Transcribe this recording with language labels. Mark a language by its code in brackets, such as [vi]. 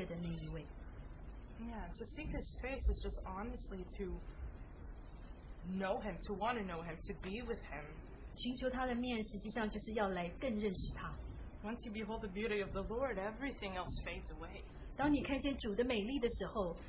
[en] Yeah, so seek His face is just honestly to know Him, to want to know Him, to be with Him. [zh] 寻求他的面实际上就是要来更认识他。 [en] Once you behold the beauty of the Lord, everything else fades away. [zh] 当你看见主的美丽的时候,